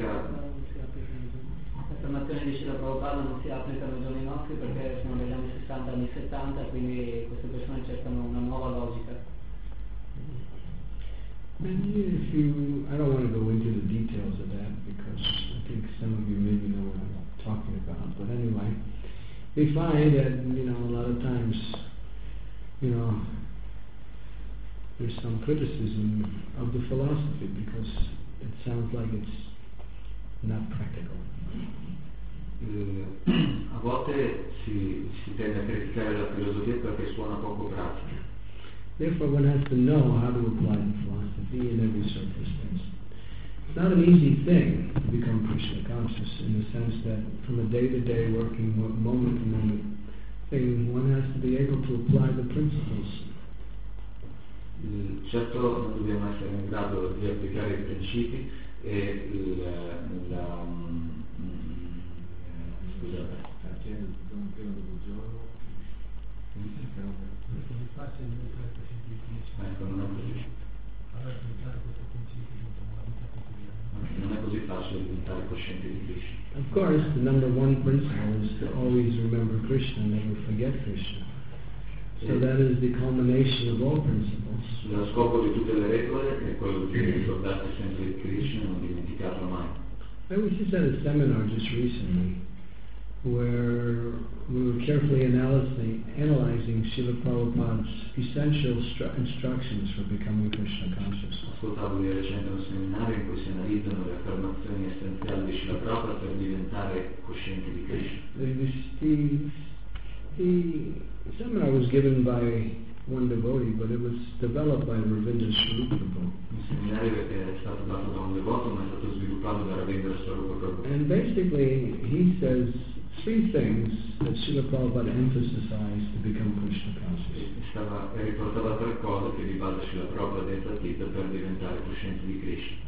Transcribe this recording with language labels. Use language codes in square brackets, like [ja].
[it] Affermazione dice la Prabhupada non si applica ai giorni nostri perché siamo negli anni 60, anni 70, quindi queste persone cercano una nuova logica. [en] If you, I don't want to go into the details of that because I think some of you maybe know what I'm talking about. But anyway, we find that, you know, a lot of times, you know, there's some criticism of the philosophy because it sounds like it's not practical. [it] A volte si tende a criticare la filosofia perché suona poco pratica. [en] Therefore, one has to know how to apply the philosophy in every circumstance. It's not an easy thing to become Krishna conscious in the sense that from a day-to-day working, moment-to-moment thing, one has to be able to apply the principles. [it] Certo, non dobbiamo essere in grado di applicare i principi e non è così facile diventare cosciente di Krishna. [en] Of course, the number one principle is to always remember Krishna, never forget Krishna. So that is the culmination of all principles. [it] Lo scopo di tutte le regole è quello di ricordare sempre Krishna, non dimenticarlo mai. [en] I was just at a seminar just recently where we were carefully analyzing Srila Prabhupada's essential instructions for becoming Krishna conscious. [it] Ascoltavo di recente un seminario in cui si analizzano le affermazioni essenziali di Srila Prabhupada per diventare cosciente di Krishna. [en] The seminar was given by one devotee, but it was developed by Ravindra Swarupa Prabhu. [it] Il seminario è stato dato da un devoto, ma è stato sviluppato da Ravindra Swarupa Prabhu. [en] And basically, he says three things that Srila Prabhupada emphasized to become Krishna conscious. [it] E riportava tre cose che di base Srila Prabhupada enfatizza per diventare cosciente di Krishna.